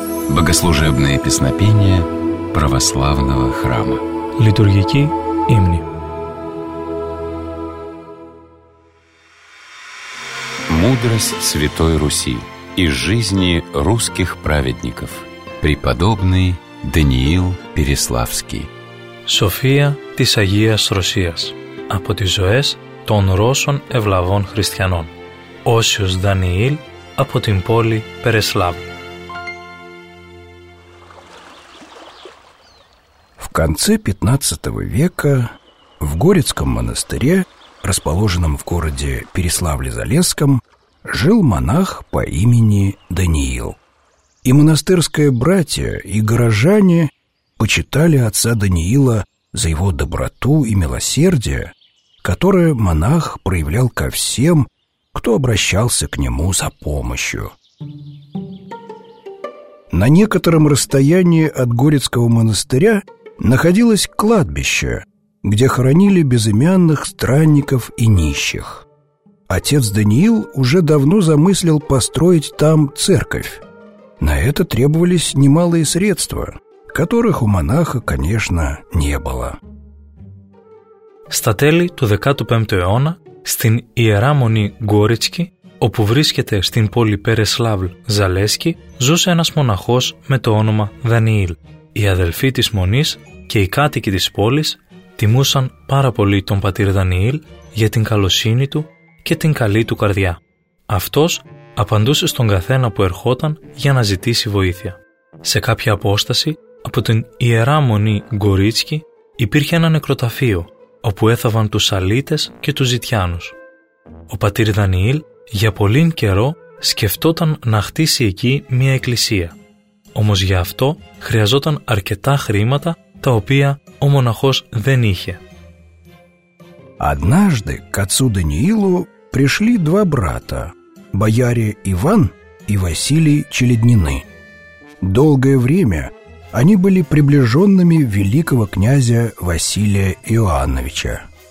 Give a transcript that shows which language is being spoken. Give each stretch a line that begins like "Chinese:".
Russian: Богослужебные песнопения православного храма. Литургики имени. Мудрость Святой Руси из жизни русских праведников. Преподобный Даниил Переславский.
Greek: София της Αγίας Ρωσίας. Από τις ζωές των Ρώσων ευλαβών χριστιανών. Όσιος Δανιήλ από την πόλη Переславλ.
Russian: В конце 15 века в Горецком монастыре, расположенном в городе Переславле-Залесском, жил монах по имени Даниил. И монастырские братья, и горожане почитали отца Даниила за его доброту и милосердие, которое монах проявлял ко всем, кто обращался к нему за помощью. На некотором расстоянии от Горецкого монастыря находилось кладбище, где хоронили безымянных странников и нищих. Отец Даниил уже давно замыслил построить там церковь. На это требовались немалые средства, которых у монаха, конечно, не было.
Greek: Στα τέλη του 15ου αιώνα, στην Ιερά Μονή Γκόριτσκι, όπου βρίσκεται στην πόλη Πέρεσλαβλ Ζαλέσκι, ζούσε ένας μοναχός με το όνομα Δανιήλ. Οι αδελφοί της μονής και οι κάτοικοι της πόλης τιμούσαν πάρα πολύ τον πατήρ Δανιήλ για την καλοσύνη του και την καλή του καρδιά. Αυτός απαντούσε στον καθένα που ερχόταν για να ζητήσει βοήθεια. Σε κάποια απόσταση από την Ιερά Μονή Γκορίτσκι υπήρχε ένα νεκροταφείο όπου έθαβαν τους αλήτες και τους ζητιάνους. Ο πατήρ Δανιήλ για πολύν καιρό σκεφτόταν να χτίσει εκεί μια εκκλησία. Όμως για αυτό χρειαζόταν αρκετά χρήματα τα οποία ο μοναχός δεν είχε.
Russian: Однажды к отцу Даниилу пришли два брата, бояре Иван и Василий Челеднины. Долгое время они были приближенными великого князя Василия Иоанновича.